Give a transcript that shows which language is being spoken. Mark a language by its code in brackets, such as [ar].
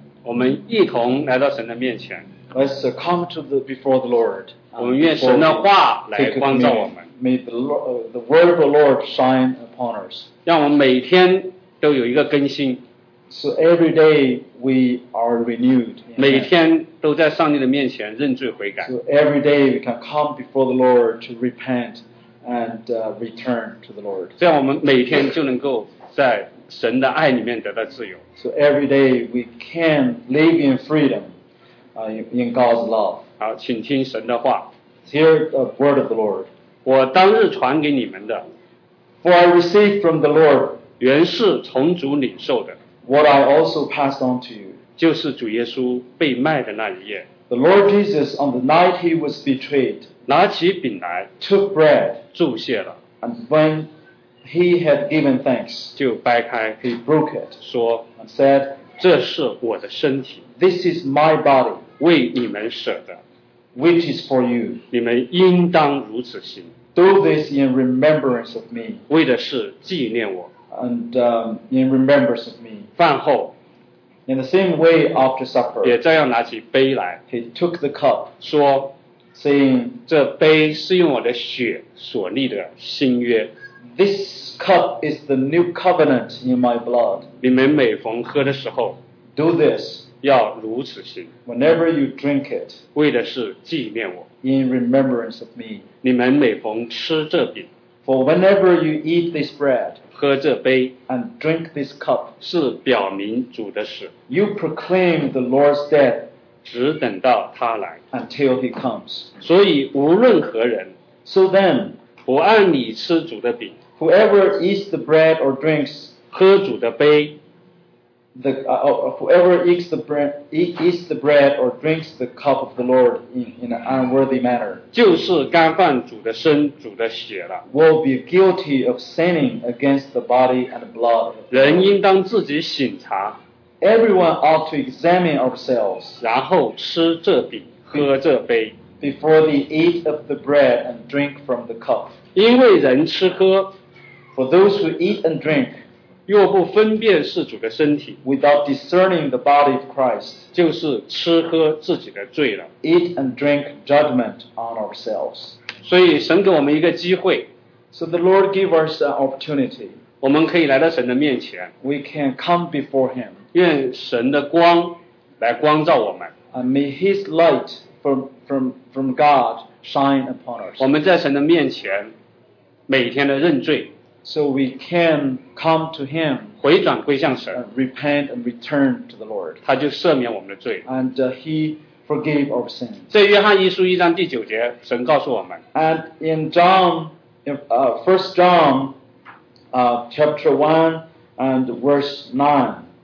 [zh] 我们一同来到神的面前。 [en] Let's come to the before the Lord. [zh] 我们愿神的话来光照我们。 [en] May the word of the Lord shine upon us. [zh] 让我们每天都有一个更新。 [en] So every day we are renewed. [zh] 每天都在上帝的面前认罪悔改。 [en] So every day we can come before the Lord to repent and return to the Lord. [zh] 这样我们每天就能够在神的爱里面得到自由。 [en] So every day we can live in freedom, in God's love. [zh] 好，请听神的话。 [en] Hear the word of the Lord. [zh] 我当日传给你们的。 [en] For I received from the Lord. [zh] 原是从主领受的。 [en] What I also passed on to you. [zh] 就是主耶稣被卖的那一夜, [en] the Lord Jesus, on the night he was betrayed, [zh] 拿起饼来, [en] took bread, [zh] 祝谢了, [en] and when he had given thanks, [zh] 就掰开, [en] he broke it, [zh] 说, [en] and said, [zh] 这是我的身体, [en] this is my body, [zh] 为你们舍的, [en] which is for you. [zh] 你们应当如此行, [en] do this in remembrance of me, [zh] 为的是纪念我, [en] and in remembrance of me. [zh] 饭后, [en] in the same way after supper, [zh] 也照样拿起杯来, [en] he took the cup, [zh] 说, [en] saying, [zh] 这杯是用我的血所立的新约, [en] this cup is the new covenant in my blood. [zh] 你们每逢喝的时候, [en] do this, [zh] 要如此行, [en] whenever you drink it, [zh] 为的是纪念我, [en] in remembrance of me. [zh] 你们每逢吃这饼, [en] for whenever you eat this bread, [zh] 喝这杯, [en] and drink this cup, [zh] 是表明主的死, [en] you proclaim the Lord's death, [zh] 只等到他来, [en] until he comes. [zh] 所以无论何人, [en] so then, [zh] 不按你吃主的饼, [en] whoever eats the bread or drinks, [zh] 喝主的杯, [en] whoever eats the bread, or drinks the cup of the Lord in an unworthy manner, [zh] 就是干犯主的身, 主的血了, [en] will be guilty of sinning against the body and blood. [zh] 人应当自己省察, [en] everyone ought to examine ourselves, [zh] 然后吃这饼, 喝这杯, [en] before they eat of the bread and drink from the cup. [zh] 因为人吃喝, [en] for those who eat and drink, [zh] 若不分辨是主的身体, [en] without discerning the body of Christ, [zh] 就是吃喝自己的罪了, [en] eat and drink judgment on ourselves. [zh] 所以神给我们一个机会, [en] so the Lord gave us an opportunity. [zh] 我们可以来到神的面前, [en] we can come before him. [zh] 愿神的光来光照我们, [en] and may his light from God shine upon us. [zh] 我们在神的面前, 每天的认罪, [en] so we can come to him, [zh] 回转归向神, [en] and repent and return to the Lord. [zh] 他就赦免我们的罪, [en] and he forgave our sins. [zh] 在约翰一书一章第九节, 神告诉我们, [en] and in John, 1 John chapter 1 and verse 9,